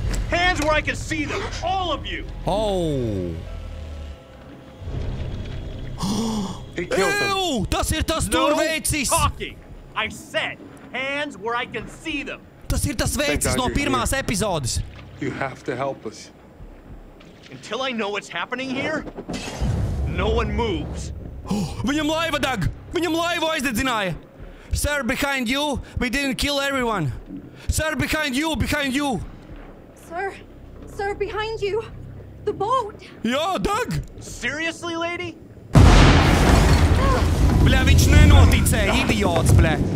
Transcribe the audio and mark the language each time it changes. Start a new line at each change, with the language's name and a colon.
English: Hands where I can see them, all of you! Oh.
Latvian: Ew! Tas ir tas tur veicis!
English: No talking! I said, hands where I can see them!
Latvian: Tas ir tas veicis no pirmās epizodes!
English: You have to help us. Until I know what's happening here, no one moves.
Latvian: Viņam laiva, Doug! Viņam laivu aizdedzināja!
English: Sir, behind you, we didn't kill everyone! Sir, behind you, behind you! Sir, sir, behind you! The boat!
Latvian: Jā, Doug!
English: Seriously, lady?
Latvian: Blē, viņš nenoticēja, idiots, blē!